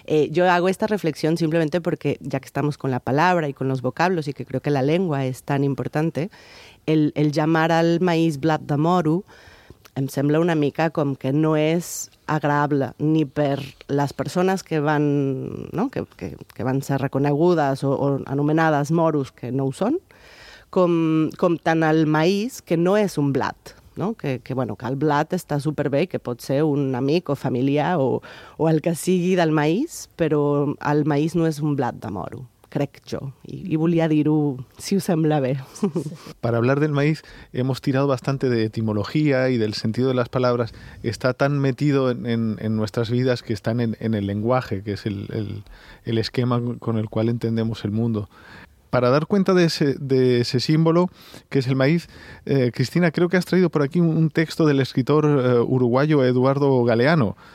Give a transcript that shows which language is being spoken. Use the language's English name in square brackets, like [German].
[Spanish] Yo hago esta reflexión simplemente porque, ya que estamos con la palabra y con los vocablos y que creo que la lengua es tan importante, el llamar al maíz blat de moro [Catalan] em sembla una mica com que no és agradable ni per les persones que van, [Spanish] no? [Catalan] que van ser reconegudes o anomenades moros, que no ho són, com tant el maíz, que no és un blat. No? Que, bueno, que el blat està superbé i que pot ser un amic o familiar o el que sigui del maïs, però el maïs no és un blat de moro, crec jo. I volia dir-ho, si us sembla bé. [Spanish] Para hablar del maíz hemos tirado bastante de etimología y del sentido de las palabras. Está tan metido en nuestras vidas que están en el lenguaje, que es el esquema con el cual entendemos el mundo. Para dar cuenta de ese símbolo que es el maíz, Cristina, creo que has traído por aquí un texto del escritor uruguayo Eduardo Galeano.